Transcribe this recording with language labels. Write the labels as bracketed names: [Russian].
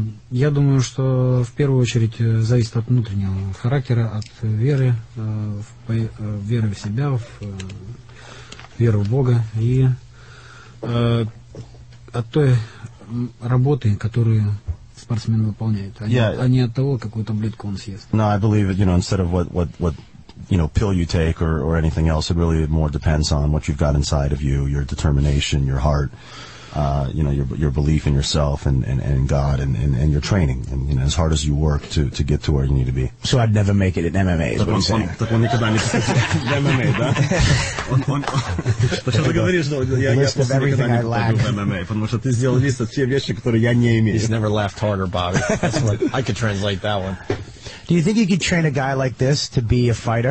[Russian] Я думаю, что в первую очередь зависит от внутреннего характера, от веры, веры в себя, в веру в Бога и от той работы, которую спортсмен выполняет, а не от того, какую таблетку он съест. [English] No, I believe that, you know, instead of what you know, pill you take or anything else, it really more depends on what you've got inside of you, your determination, your heart. You know, your belief in yourself and God and your training, and, you know, as hard as you work to get to where you need to be. So I'd never make it in MMA, is [Russian] так [English] what you're saying. [Russian] Так он никогда не... MMA, да? Ты что-то говоришь, но я [English] everything [Russian] никогда [English] I [Russian] не [English] lack. [Russian] Пойду в MMA, потому что ты сделал лист от всех вещей, которые я не имею. [English] He's never laughed harder, Bobby. That's what, I could translate that one. Do you think you could train a guy like this to be a fighter?